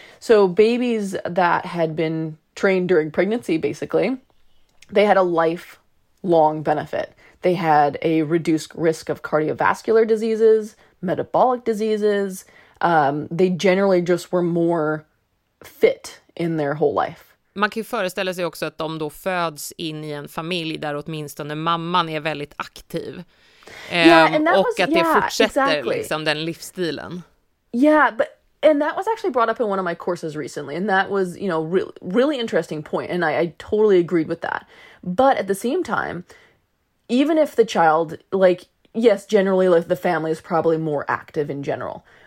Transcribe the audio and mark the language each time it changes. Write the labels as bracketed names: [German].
[English] So babies that had been trained during pregnancy, basically, they had a lifelong benefit. They had a reduced risk of cardiovascular diseases, metabolic diseases. They generally just were more fit in their whole life. [Swedish] Man kan ju föreställa sig också att de då föds in i en familj där åtminstone mamman är väldigt aktiv. Och att det fortsätter, liksom, den livsstilen. [English] Yeah, but and that was actually brought up in one of my courses recently. And that was, you know, really interesting point. And I totally agreed with that. But at the same time, even if the child, like, yes, generally, like, the family is probably more active in general.